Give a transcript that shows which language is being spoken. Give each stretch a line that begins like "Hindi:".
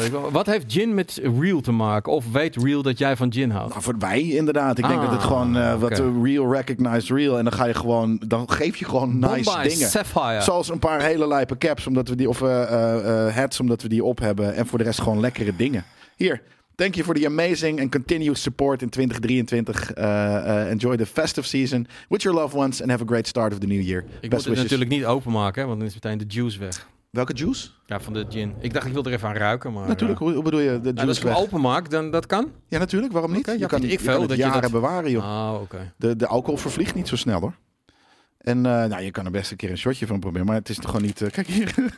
Dutch: Wat heeft gin met Real te maken? Of weet Real dat jij van gin houdt? Nou, voor wij inderdaad. Ik denk dat het gewoon
English: Real recognized Real.
Dutch: En dan ga je gewoon, dan geef je gewoon nice Bombay dingen. Sapphire. Zoals een paar hele lijpe caps, omdat we die, of hats, omdat we die op hebben. En voor de rest gewoon lekkere dingen.
English: Hier, thank you for the amazing and continuous support in 2023. Enjoy the festive season with your loved ones and have a great start of the new year.
Dutch: Ik
English: best
Dutch: moet
English: wishes.
Dutch: Het natuurlijk niet openmaken, want dan is meteen de juice weg. Welke juice? Ja, van de gin. Ik dacht, ik wil er even aan ruiken, maar... Natuurlijk, hoe bedoel je de juice Als ik hem openmaak, dan dat kan? Ja, natuurlijk, waarom niet?
English: Okay,
Dutch: je kan het jaren bewaren, joh. Ah, oké. De alcohol vervliegt niet zo snel, hoor. En je kan er best een keer een shotje van proberen, maar het is toch gewoon niet... Kijk hier.